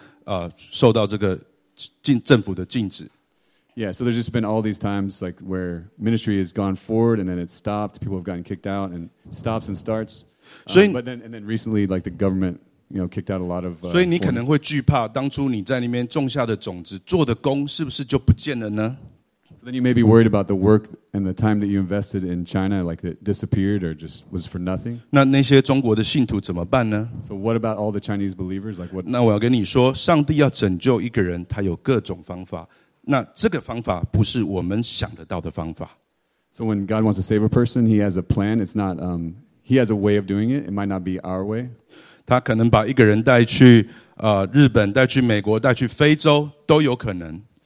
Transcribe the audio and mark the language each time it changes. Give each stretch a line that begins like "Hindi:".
Chinese: 49年也是被关起来，那一直到甚至近期也是受到这个政府的禁止。
English: Yeah, so there's just been all these times like where ministry has gone forward and then it stopped, people have gotten kicked out and stops and starts. But then recently like the government, you know, kicked out a lot of
Chinese: 所以你可能会惧怕当初你在那边种下的种子，做的功是不是就不见了呢？
English: So then you may be worried about the work and the time that you invested in China, like it disappeared or just was for nothing.
Chinese: 那些中国的信徒怎么办呢?
English: So what about all the Chinese believers? Like what?
Chinese: 那我要跟你说，上帝要拯救一个人，他有各种方法。那这个方法不是我们想得到的方法。
English: So when God wants to save a person, He has a plan. It's not He has a way of doing it. It might not be our way.
Chinese: 他可能把一个人带去日本，带去美国，带去非洲，都有可能。